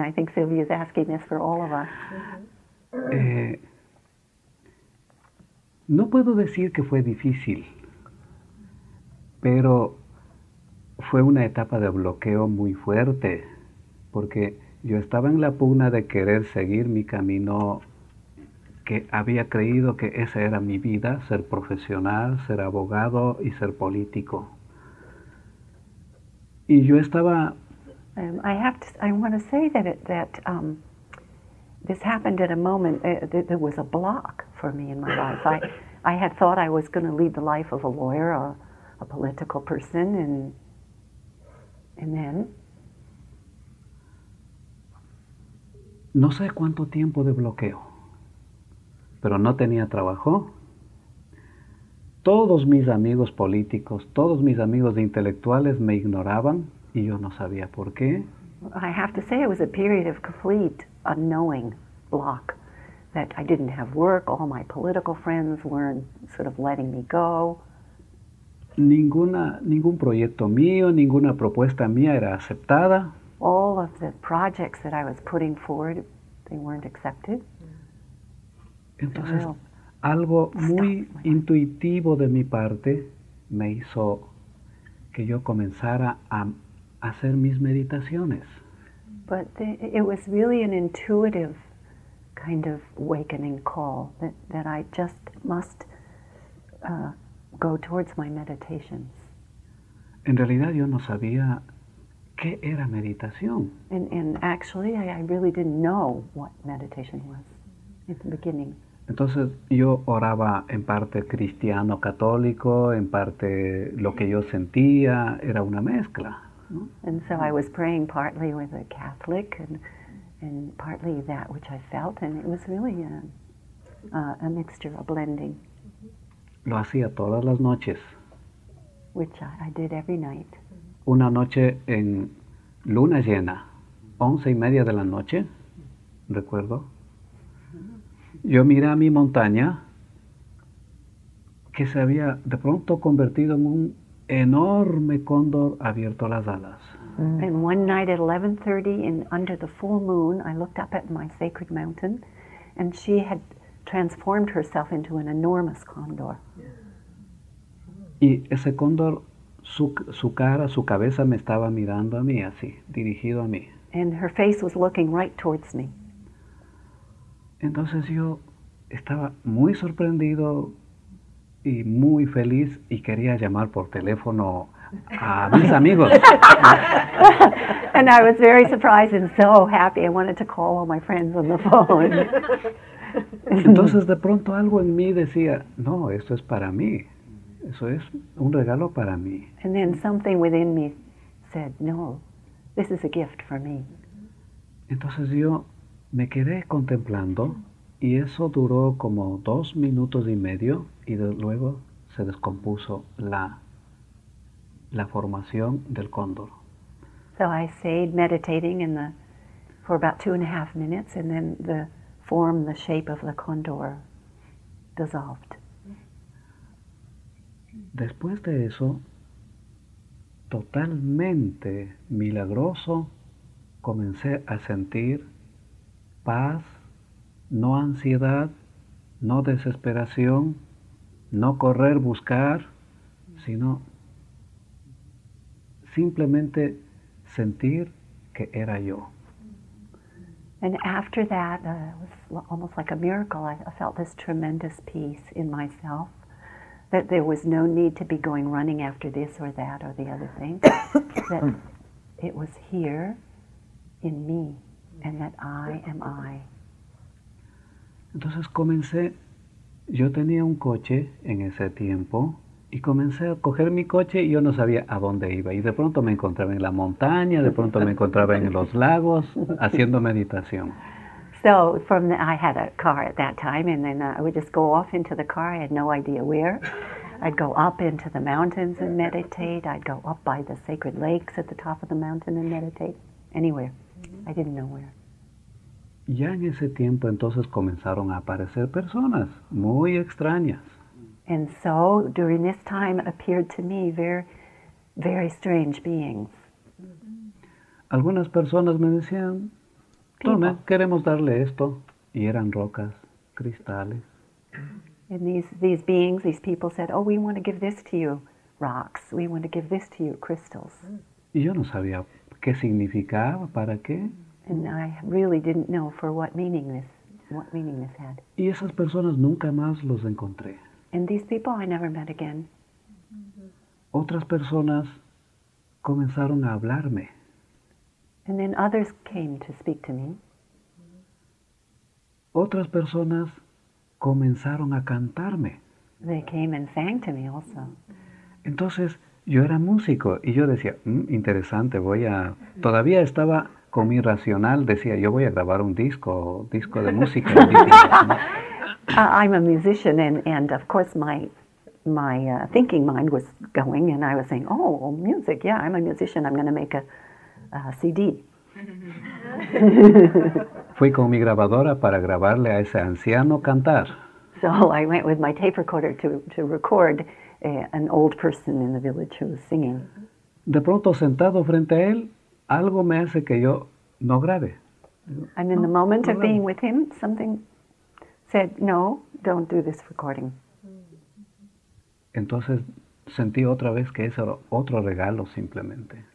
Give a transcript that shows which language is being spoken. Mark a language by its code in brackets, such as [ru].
[en] I think Sylvia is asking this for all of us. [es] No puedo decir que fue difícil, pero fue una etapa de bloqueo muy fuerte, porque yo estaba en la pugna de querer seguir mi camino, que había creído que esa era mi vida, ser profesional, ser abogado y ser político. Y yo estaba... [en] I want to say that this happened at a moment that there was a block for me in my life. I had thought I was going to lead the life of a lawyer or a political person, and then [es] no sé cuánto tiempo de bloqueo, pero no tenía trabajo. Todos mis amigos políticos, todos mis amigos intelectuales me ignoraban y yo no sabía por qué. [en] I have to say it was a period of complete unknowing block, that I didn't have work, all my political friends weren't sort of letting me go. [es] Ningún proyecto mío, ninguna propuesta mía era aceptada. [en] All of the projects that I was putting forward, they weren't accepted. [es] Entonces, algo muy intuitivo de mi parte me hizo que yo comenzara a hacer mis meditaciones. [en] But it was really an intuitive kind of awakening call that I just must go towards my meditations. [es] En realidad yo no sabía qué era meditación. [en] And actually I really didn't know what meditation was at the beginning. [es] Entonces yo oraba en parte cristiano católico, en parte lo que yo sentía, era una mezcla, ¿no? [en] And so I was praying partly with a Catholic and partly that which I felt, and it was really a mixture, a blending. [es] Lo hacía todas las noches. [en] Which I did every night. [es] Una noche en luna llena, 11:30 de la noche, recuerdo. Yo miré a mi montaña que se había de pronto convertido en un enorme cóndor abierto las alas. Mm. [en] And one night at 11:30, in under the full moon, I looked up at my sacred mountain, and she had transformed herself into an enormous condor. [es] Y ese cóndor, su cara, su cabeza me estaba mirando a mí, así, dirigido a mí. [en] And her face was looking right towards me. [es] Entonces yo estaba muy sorprendido y muy feliz y quería llamar por teléfono a mis amigos. [en] And I was very surprised and so happy. I wanted to call all my friends on the phone. [es] Entonces de pronto algo en mí decía, no, esto es para mí. Eso es un regalo para mí. [en] And then something within me said, no, this is a gift for me. [es] Entonces yo me quedé contemplando y eso duró como 2 minutos y medio y luego se descompuso la formación del cóndor. [en] So I stayed meditating for about 2.5 minutes and then the form, the shape of the condor dissolved. [es] Después de eso, totalmente milagroso, comencé a sentir paz, no ansiedad, no desesperación, no correr buscar, sino simplemente sentir que era yo. [en] And after that, it was almost like a miracle. I felt this tremendous peace in myself, that there was no need to be going running after this or that or the other thing, that it was here in me and that I am I. [es] Entonces comencé, yo tenía un coche en ese tiempo, y comencé a coger mi coche y yo no sabía a dónde iba. Y de pronto me encontraba en la montaña, de pronto me encontraba en los lagos, haciendo meditación. [en] So, I had a car at that time, and then I would just go off into the car, I had no idea where. I'd go up into the mountains and meditate, I'd go up by the sacred lakes at the top of the mountain and meditate, anywhere. I didn't know where. [es] Ya en ese tiempo entonces comenzaron a aparecer personas muy extrañas. [en] And so, during this time, appeared to me very, very strange beings. [es] Algunas personas me decían, tome, queremos darle esto. Y eran rocas, cristales. [en] And these beings, these people said, oh, we want to give this to you, rocks. We want to give this to you, crystals. [es] Y yo no sabía qué significaba, para qué. [en] And I really didn't know for what meaning this had. [es] Y esas personas nunca más los encontré. [en] And these people I never met again. [es] Otras personas comenzaron a hablarme. [en] And then others came to speak to me. [es] Otras personas comenzaron a cantarme. [en] They came and sang to me also. [es] Entonces, yo era músico y yo decía, interesante, todavía estaba con mi racional, decía, yo voy a grabar un disco de música. [en] I'm a musician, and of course my thinking mind was going, and I was saying, oh, music, yeah, I'm a musician, I'm going to make a CD. [es] Fui con mi grabadora para grabarle a ese anciano cantar. [en] So I went with my tape recorder to record an old person in the village who was singing. [es] De pronto, sentado frente a él, algo me hace que yo no grabe. [en] And in the moment of being with him, something said, no, don't do this recording. [es] Entonces sentí otra vez que ese era otro regalo simplemente.